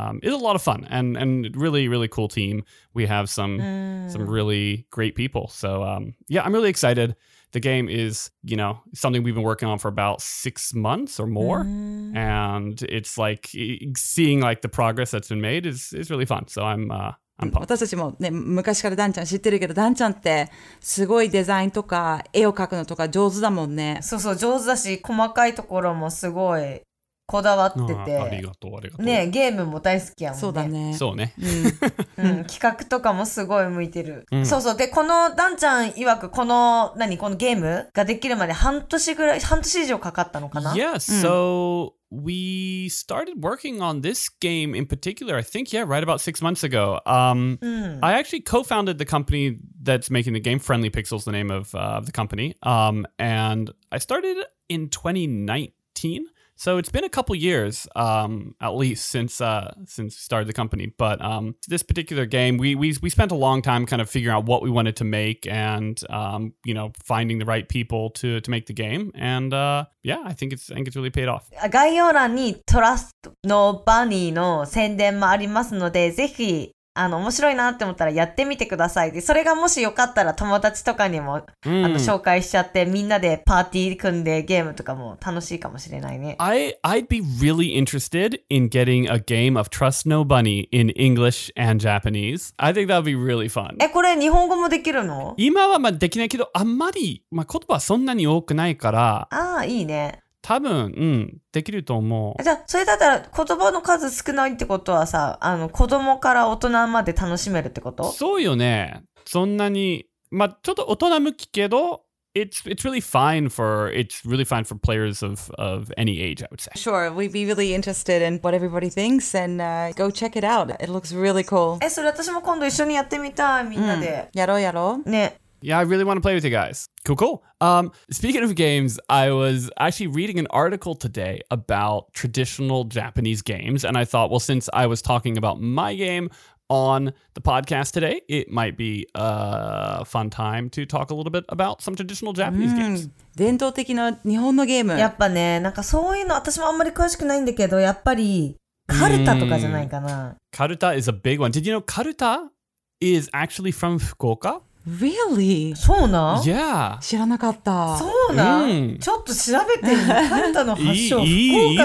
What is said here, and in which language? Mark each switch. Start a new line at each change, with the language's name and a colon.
English: It's a lot of fun and really, really cool team. We have some really great people. So yeah, I'm really excited. The game is, you know, something we've been working on for about 6 months or more. And it's like seeing like the progress that's been made is really fun. So I'm pumped.
Japanese: 私たちもね、昔からダンちゃん知ってるけど、ダンちゃんってすごいデザインとか絵を描くのとか上手だもんね。そうそう、上手だし、細かいところもすごい。こだわってて、ありがとう、ね、ゲームも大好きやもんね。そうだね。そうね。企画とかもすごい向いてる。そうそう。で、このダンちゃん曰く、この、何、このゲームができるまで半年以上かかったのかな？
English: Yeah, so we started working on this game in particular, I think, yeah, right about 6 months ago. I actually co-founded the company that's making the game, Friendly Pixel's the name of the company. And I started in 2019. So it's been a couple years, at least, since we started the company. But this particular game, we spent a long time kind of figuring out what we wanted to make and, you know, finding the right people to make the game. And yeah, I think it's really paid off.
Japanese: 概要欄にトラストのバニーの宣伝もありますので、ぜひ面白いなって思ったらやってみてくださいで、それがもしよかったら友達とかにも、mm. 紹介しちゃって、みんなでパーティー組んでゲームとかも楽しいかもしれないね。
English: I'd be really interested in getting a game of Trust No Bunny in English and Japanese. I think that would be really fun.
Japanese: え、これ日本語もできるの？今はまあできないけど、あんまり、まあ、言葉そんなに多くないから。ああ、いいね。多分、うん、できると思う。じゃあ、それだったら言葉の数少ないってことはさ、子供から大人まで楽しめるってこと？そうよね。そんなに、まあ、ちょっと大人向きけど、
English: It's really fine for players of any age, I would say. Sure, we'd be really interested in what everybody thinks and go check it out. It looks really cool.
Japanese: え、それ私も今度一緒にやってみたい、みんなで。うん、やろうやろう。ね。
English: Yeah, I really want to play with you guys. Cool, cool. Speaking of games, I was actually reading an article today about traditional Japanese games. And I thought, well, since I was talking about my game on the podcast today, it might be a fun time to talk a little bit about some traditional Japanese games.
Japanese: 伝統的な日本のゲーム。やっぱね、なんかそういうの私もあんまり詳しくないんだけど、やっぱりカルタとかじゃないかな。
English: カルタ is a big one. Did you know カルタ is actually from 福岡? Really?
Japanese: そうな?
English: Yeah.
Japanese: 知らなかった。そうな?Mm. ちょっと調べてみる。カルタの発祥、福岡な?